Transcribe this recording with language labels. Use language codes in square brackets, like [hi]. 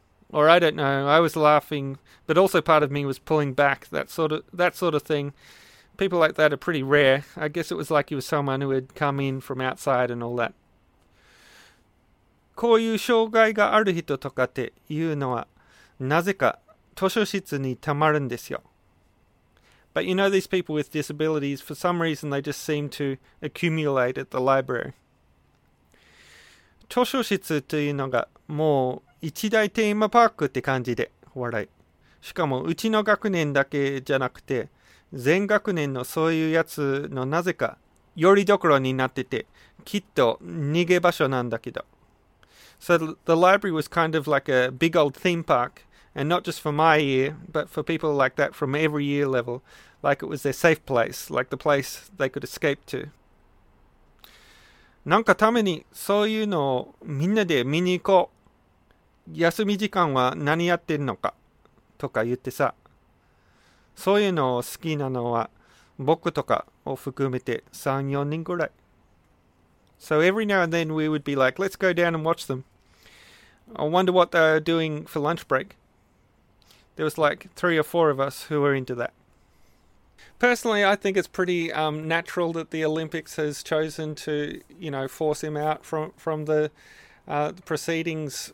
[en] Or I don't know, I was laughing, but also part of me was pulling back, that sort of thing. People like that are pretty rare. I guess it was like he was someone who had come in from outside and all that. [ja] こういう障害がある人とかっていうのは、なぜか図書室にたまるんですよ。 [en] But you know these people with disabilities, for some reason they just seem to accumulate at the library. [ja] 図書室っていうのがもう一大テーマパークって感じで、笑い。しかもうちの学年だけじゃなくて、全学年のそういうやつのなぜかよりどころになってて、きっと逃げ場所なんだけど。 [en] So the library was kind of like a big old theme park, and not just for my year, but for people like that from every year level, like it was their safe place, like the place they could escape to. [ja] なんかためにそういうのをみんなで見に行こう。休み時間は何やってんのかとか言ってさ。そういうのを好きなのは僕とかを含めて3、4人ぐらい。 [en] So every now and then we would be like, let's go down and watch them. I wonder what they're doing for lunch break. There was like 3 or 4 of us who were into that. Personally, I think it's pretty natural that the Olympics has chosen to, you know, force him out from the proceedings.